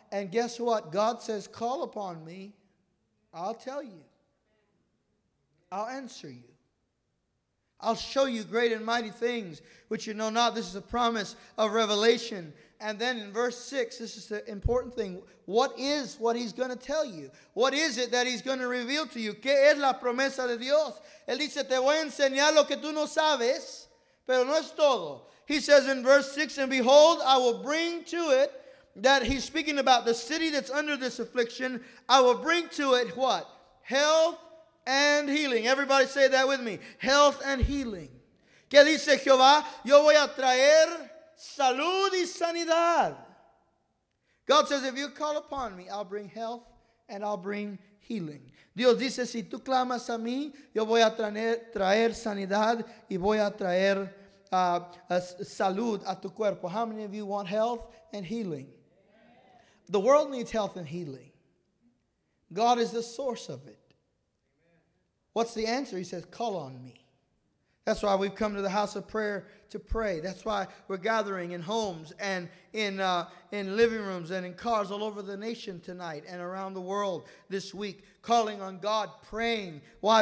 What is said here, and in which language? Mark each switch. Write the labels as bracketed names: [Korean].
[English] And guess what? God says, call upon me. I'll tell you. I'll answer you. I'll show you great and mighty things which you know not. This is a promise of revelation. And then in verse 6, this is the important thing. What is what he's going to tell you? What is it that he's going to reveal to you? [Spanish] ¿Qué es la promesa de Dios? Él dice, te voy a enseñar lo que tú no sabes, pero no es todo. [English] He says in verse 6, and behold, I will bring to it, that he's speaking about the city that's under this affliction, I will bring to it what? Health and healing. Everybody say that with me. Health and healing. [Spanish] ¿Qué dice Jehová? Yo voy a traer salud y sanidad. [English] God says, if you call upon me, I'll bring health and I'll bring healing. [Spanish] Dios dice, si tú clamas a mí, yo voy a traer sanidad y voy a traer salud a tu cuerpo. [English] How many of you want health and healing? The world needs health and healing. God is the source of it. What's the answer? He says, call on me. That's why we've come to the house of prayer to pray. That's why we're gathering in homes and in living rooms and in cars all over the nation tonight and around the world this week, calling on God, praying. Why?